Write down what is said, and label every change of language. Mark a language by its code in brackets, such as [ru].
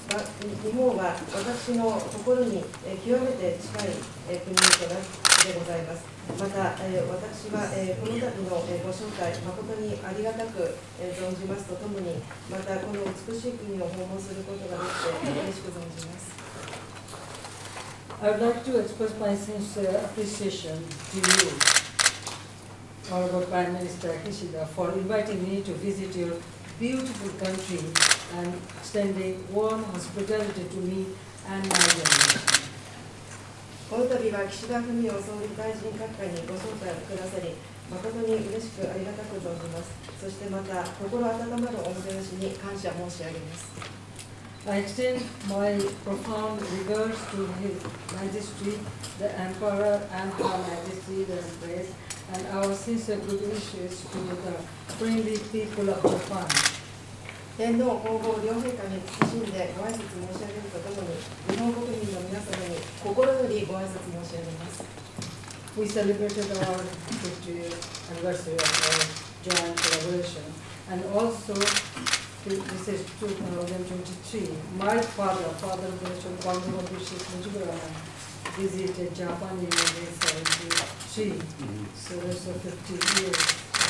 [ja] 日本は私の心に極めて近い国となってございます。また私はこの度のご招待誠にありがたく存じますとともに、またこの美しい国を訪問することができて嬉しく存じます。 [en] I would like to express my sincere appreciation to you, Honorable Prime Minister Kishida, for inviting me to visit your beautiful country and extending warm hospitality to me and my generation [ja] この度は岸田文雄総理大臣閣下にご招待をくださり、誠に嬉しくありがたく存じます。そしてまた、心温まるおもてなしに感謝申し上げます。 [en] I extend my profound regards to His Majesty, the Emperor, and Her Majesty, the Empress, and our sincere good wishes to the friendly people of Japan. [ja] 天皇皇后両陛下に謹んでご挨拶申し上げるとともに、日本国民の皆様に心よりご挨拶申し上げます。 [en] We celebrated our 50th anniversary of our joint collaboration, and also this is 2023. My father, Father of the Nation, Honorable Bishop Mujiburaman, visited Japan in 1973, so that's a 50 years.